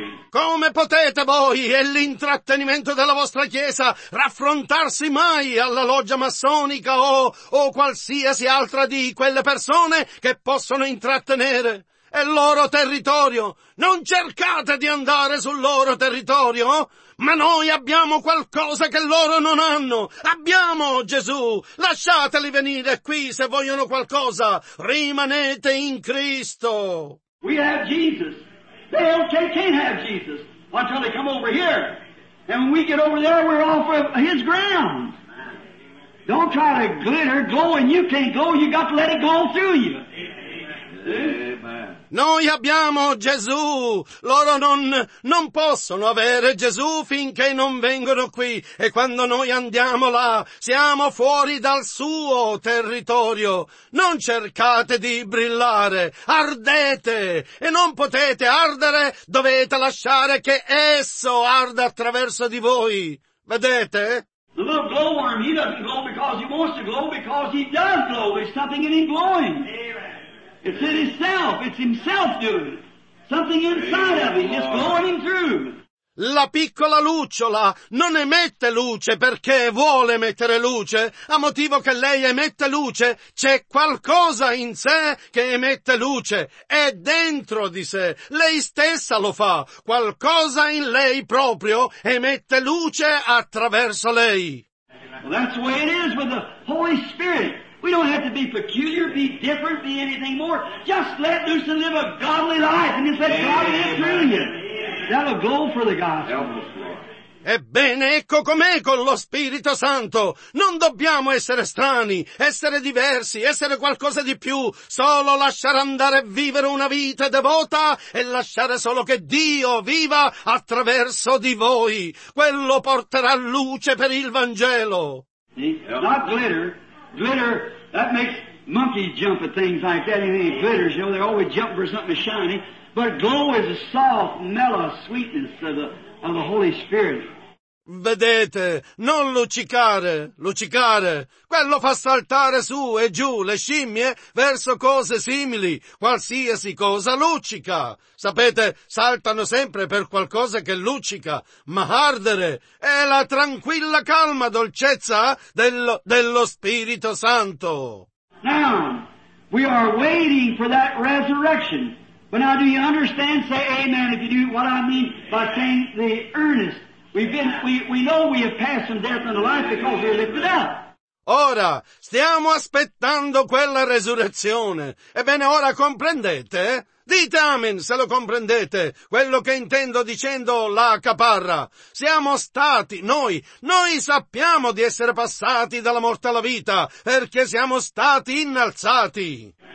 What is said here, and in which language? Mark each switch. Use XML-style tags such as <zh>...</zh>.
<it>Come potete voi e l'intrattenimento della vostra chiesa raffrontarsi mai alla loggia massonica o qualsiasi altra di quelle persone che possono intrattenere? È il loro territorio. Non cercate di andare sul loro territorio. Ma noi abbiamo qualcosa che loro non hanno. Abbiamo Gesù. Lasciateli venire qui se vogliono qualcosa. Rimanete in Cristo.</it> <en>We have Jesus. They don't say, can't have Jesus until they come over here. And when we get over there, we're off of his ground. Don't try to glitter, glow, and you can't glow. You got to let it go through you.</en> <it>Noi abbiamo Gesù. Loro non possono avere Gesù finché non vengono qui. E quando noi andiamo là, siamo fuori dal suo territorio. Non cercate di brillare. Ardete. E non potete ardere. Dovete lasciare che esso arda attraverso di voi. Vedete?</it> <en>The little glowworm, he doesn't glow because he wants to glow, because he does glow. There's something in him glowing. Amen. It's in himself. It's himself doing it. Something inside of him is going through.</en> <it>La piccola lucciola non emette luce perché vuole mettere luce. A motivo che lei emette luce, c'è qualcosa in sé che emette luce. È dentro di sé. Lei stessa lo fa. Qualcosa in lei proprio emette luce attraverso lei.</it> <en>Well, that's the way it is with the Holy Spirit. We don't have to be peculiar, be different, be anything more. Just let loose and live a godly life and just let God live through you. That'll go for the gospel.</en> <it>Ebbene, ecco com'è con lo Spirito Santo. Non dobbiamo essere strani, essere diversi, essere qualcosa di più. Solo lasciare andare e vivere una vita devota e lasciare solo che Dio viva attraverso di voi. Quello porterà luce per il Vangelo.</it> <en>Not glitter. Glitter, that makes monkeys jump at things like that. Anything that glitters, you know, they're always jumping for something shiny. But glow is a soft, mellow sweetness of the Holy Spirit.</en> <it>Vedete, non luccicare. Quello fa saltare su e giù le scimmie verso cose simili, qualsiasi cosa luccica. Sapete, saltano sempre per qualcosa che luccica, ma ardere è la tranquilla calma dolcezza dello Spirito Santo.</it> <en>Now, we are waiting for that resurrection. But now do you understand? Say amen if you do what I mean by saying the earnest. We know we have passed from death into life because we are lifted up.</en> <it>Ora, stiamo aspettando quella resurrezione. Ebbene, ora comprendete? Dite amen se lo comprendete, quello che intendo dicendo la caparra. Siamo stati, noi sappiamo di essere passati dalla morte alla vita, perché siamo stati innalzati.</it>